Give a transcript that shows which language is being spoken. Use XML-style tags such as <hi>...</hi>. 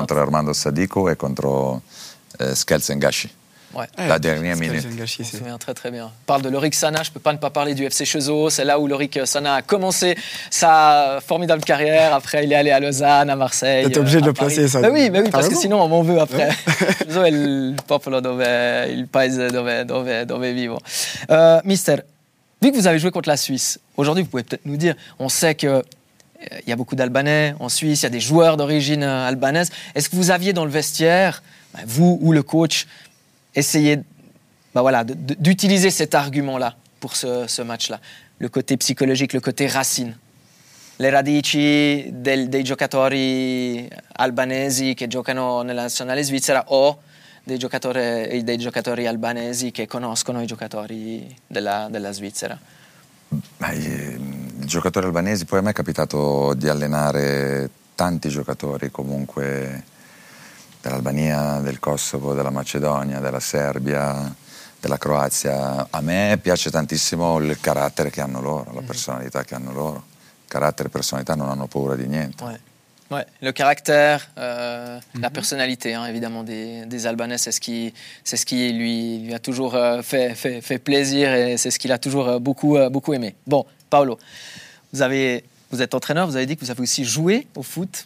<fr>Contre Armando Sadiku et contre Skelsen Gashi. Ouais. La dernière minute. Je me souviens très très bien. Parle de Lorik Sana, je ne peux pas ne pas parler du FC Chezo. C'est là où Lorik Sana a commencé sa formidable carrière. Après, il est allé à Lausanne, à Marseille. T'es obligé de le placer, ça. Mais oui, parce que sinon, on m'en veut après.</fr> <it>Chezo est le popolo dove, il paese dove vivo.</it> <fr>Mister, vu que vous avez joué contre la Suisse, aujourd'hui, vous pouvez peut-être nous dire, on sait que il y a beaucoup d'Albanais en Suisse, il y a des joueurs d'origine albanaise. Est-ce que vous aviez dans le vestiaire, vous ou le coach, essayer d'utiliser cet argument-là pour ce match-là, le côté psychologique, le côté racine.</fr> <it>Les radici dei giocatori albanesi che giocano nella nazionale svizzera o dei giocatori albanesi che conoscono i giocatori della Svizzera? I giocatori albanesi, poi a me è capitato di allenare tanti giocatori comunque dell'Albania, del Kosovo, della Macedonia, della Serbia, della Croazia. A me piace tantissimo il carattere che hanno loro, la personalità che hanno loro. Carattere e personalità non hanno paura di niente.</it> <fr>Ouais. Ouais.</fr> <it>Le carattere, la personalità,</it> <fr>évidemment, des Albanais, c'est ce qui lui a toujours fait plaisir et c'est ce qu'il a toujours beaucoup aimé. Bon, Paolo, vous êtes entraîneur, vous avez dit que vous avez aussi joué au foot.</fr>